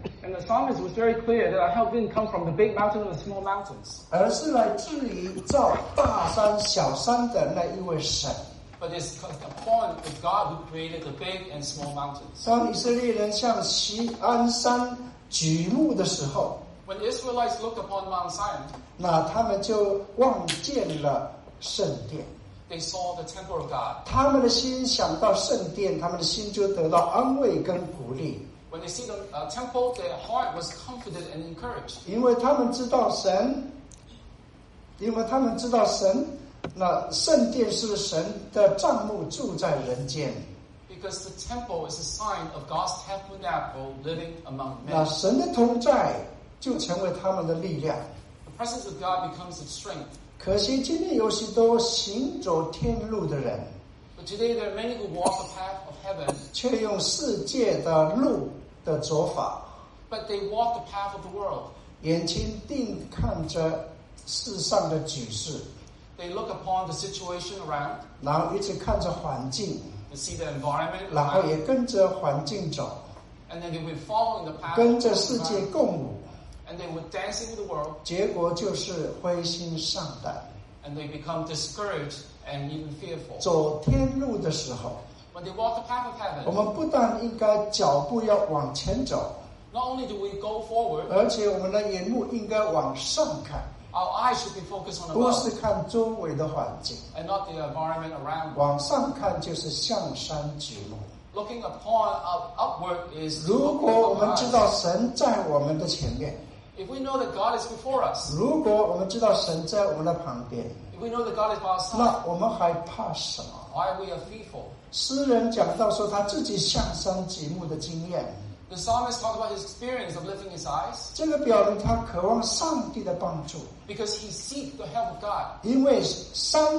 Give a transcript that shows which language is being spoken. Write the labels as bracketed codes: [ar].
[en] And the psalmist was very clear that our help didn't come from the big mountain or the small mountains. [zh] 而是来自于造大山小山的那一位神。 [en] But it's upon the God who created the big and small mountains. [zh] 当以色列人向锡安山举目的时候。 [en] When the Israelites looked upon Mount Zion, [zh] 那他们就望见了圣殿。 [en] They saw the temple of God. [zh] 他们的心想到圣殿, 他们的心就得到安慰跟鼓励。 [en] When they see the temple, their heart was comforted and encouraged. [zh] 因为他们知道神, 因为他们知道神, 那圣殿是神的帐幕, 住在人间。 [en] Because the temple is a sign of God's tabernacle living among men. [zh] 那神的同在, 就成为他们的力量。 [en] The presence of God becomes its strength. [zh] 可惜今天有许多行走天路的人, [en] but today there are many who walk the path of heaven, [zh] 却用世界的路的走法, [en] but they walk the path of the world. [zh] 眼睛定看着世上的局势, [en] they look upon the situation around, [zh] 然后一直看着环境, [en] and see the environment, [zh] 然后也跟着环境走, [en] and then they will follow in the path, [zh] 跟着世界共舞, [en] and they would dance into the world, [zh] 结果就是灰心丧胆, [en] and they become discouraged and even fearful. [zh] 走天路的时候, [en] when they walk the path of heaven, [zh] 我们不但应该脚步要往前走, [en] not only do we go forward, [zh] 而且我们的眼目应该往上看, [en] our eyes should be focused on the world, [zh] 不是看周围的环境, [en] and not the environment around. [zh] 往上看就是向山举目, [en] looking upon upward is, [zh] 如果我们知道神在我们的前面, [en] if we know that God is before us, [zh] 如果我们知道神在我们的旁边, [en] if we know that God is by our side, [zh] 那我们还怕什么? [en] Why are we fearful? [zh] 诗人讲到说他自己向山举目的经验, [en] the psalmist talked about his experience of lifting his eyes, [zh] 这个表明他渴望上帝的帮助, [en] because he seeks the help of God.